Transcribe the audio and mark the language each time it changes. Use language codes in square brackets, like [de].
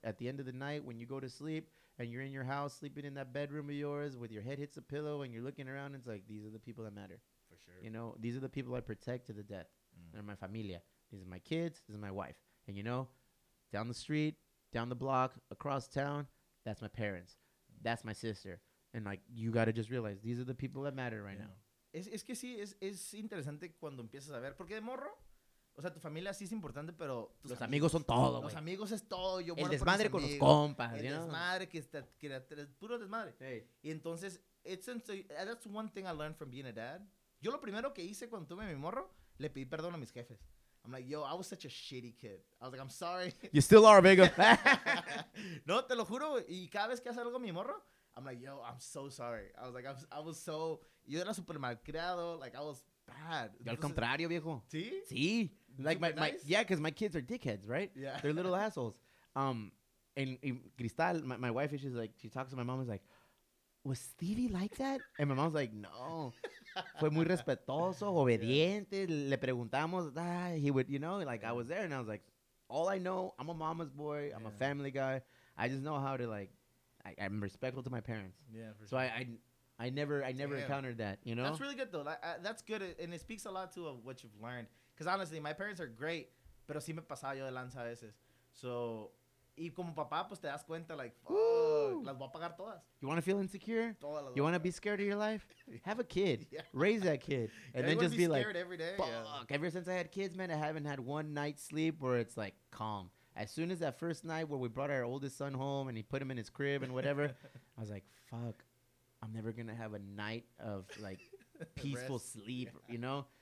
[en] At the end of the night, when you go to sleep and you're in your house sleeping in that bedroom of yours with your head hits a pillow and you're looking around, it's like, these are the people that matter. Sure. You know, these are the people I protect to the death. Mm. They're my familia. These are my kids. This is my wife. And, you know, down the street, down the block, across town, that's my parents. Mm. That's my sister. And, like, you got to just realize these are the people that matter right now. [es] Es que sí, es interesante cuando empiezas a ver. Porque de morro, o sea, tu familia sí es importante, pero... Los amigos son todo, güey. Los amigos es todo. Yo el desmadre con los compas, el [en] you know? [es] El desmadre que era puro desmadre. [en] Hey. [es] Y entonces, [en] that's one thing I learned from being a dad. [es] Yo lo primero que hice cuando tuve mi morro, le pedí perdón a mis jefes. [en] I'm like, yo, I was such a shitty kid. I was like, I'm sorry. You still are, amigo. [es] No, te lo juro. Y cada vez que hace algo mi morro, [en] I'm like, yo, I'm so sorry. I was so, [es] yo era super mal criado. [en] Like, I was bad. [es] Yo al contrario, viejo. ¿Sí? [en] Sí. Like, because my kids are dickheads, right? Yeah. They're little assholes. And Cristal, my wife, she's like, she talks to my mom, is like, was Stevie like that? And my mom's like, no. [es] Fue muy respetuoso, obediente. Yeah. Le preguntamos. [en] He would, you know, like, I was there. And I was like, all I know, I'm a mama's boy. I'm a family guy. I just know how to, like, I'm respectful to my parents. Yeah, for sure. So I never encountered that, you know? That's really good, though. That's good. And it speaks a lot to what you've learned. Because, honestly, my parents are great. [es] Pero sí me pasaba yo de lanza a veces. So, y como papá, pues te das cuenta, like, fuck, las voy a pagar todas. [en] You want to feel insecure? You want to be scared of your life? Have a kid. Yeah. Raise that kid. And then just be like, every day. Fuck. Ever since I had kids, man, I haven't had one night's sleep where it's, like, calm. As soon as that first night where we brought our oldest son home and he put him in his crib and whatever, I was like, fuck, I'm never going to have a night of, like, peaceful sleep, yeah. You know?